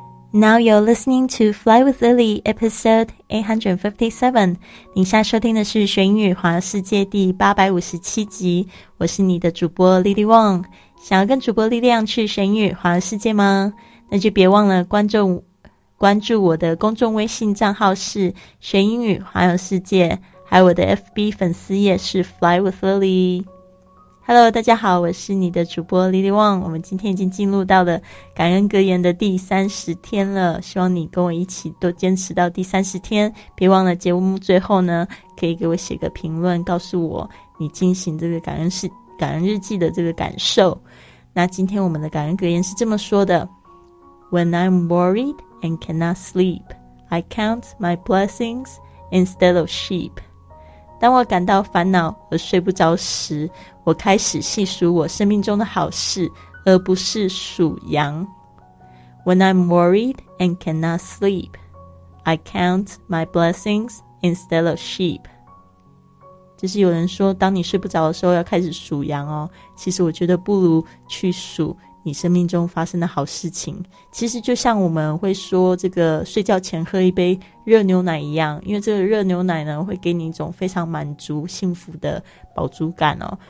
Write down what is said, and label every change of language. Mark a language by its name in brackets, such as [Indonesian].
[English] Now you're listening to Fly with Lily, episode 857. [Chinese] 您现在收听的是《学英语环游世界》第857集。我是你的主播 Lily Wong。想要跟主播力量去学英语环游世界吗？那就别忘了关注我的公众微信账号是《学英语环游世界》，还有我的 FB 粉丝页是 Fly with Lily。 Hello， 大家好，我是你的主播 Lily Wong。我们今天已经进入到了感恩格言的第30天了，希望你跟我一起都坚持到第30天。别忘了节目最后呢，可以给我写个评论，告诉我你进行这个感恩日记的这个感受。那今天我们的感恩格言是这么说的： [English] When I'm worried and cannot sleep, I count my blessings instead of sheep。 [Chinese] 当我感到烦恼而睡不着时，我开始细数我生命中的好事，而不是数羊。 [English] When I'm worried and cannot sleep, I count my blessings instead of sheep。 [Chinese] 就是有人说当你睡不着的时候要开始数羊哦，其实我觉得不如去数你生命中发生的好事情。其实就像我们会说这个睡觉前喝一杯热牛奶一样，因为这个热牛奶呢会给你一种非常满足幸福的饱足感哦。